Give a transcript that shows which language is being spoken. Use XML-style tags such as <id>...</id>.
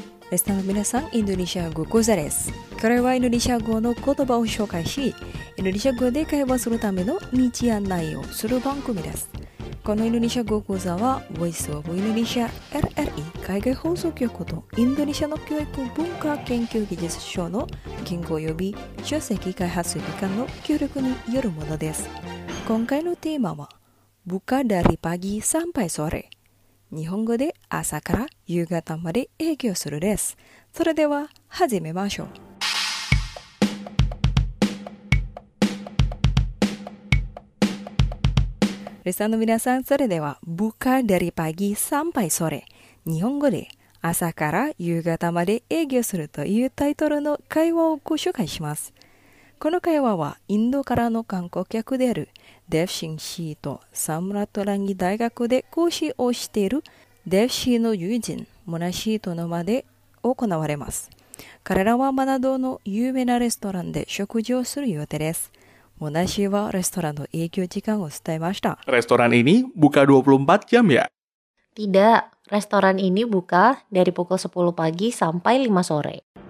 <ja>レスナーの皆さん、インドネシア語講座です。これはインドネシア語の言葉を紹介し、インドネシア語で会話するための道案内をする番組です。このインドネシア語講座は、Voice of Indonesia RRI 海外放送局とインドネシアの教育文化研究技術省の言語及び書籍開発機関の協力によるものです。今回のテーマは、 Buka dari pagi sampai sore。日本語で朝から夕方まで営業するです。それでは始めましょう。レッサンの皆さん、それでは、 Buka dari pagi sampai sore。日本語で、朝から夕方まで営業するというタイトルの会話をご紹介します。この会話は、インドからの観光客である、デフシン・シーとサムラトランギ大学で講師をしている、デフシーの友人、モナシーとの間で行われます。彼らはマナドの有名なレストランで食事をする予定です。モナシーはレストランの営業時間を伝えました。</ja> <id>レストランini buka 24 jam ya? Tidak, restoran ini buka dari pukul 10 pagi sampai 5 sore.</id>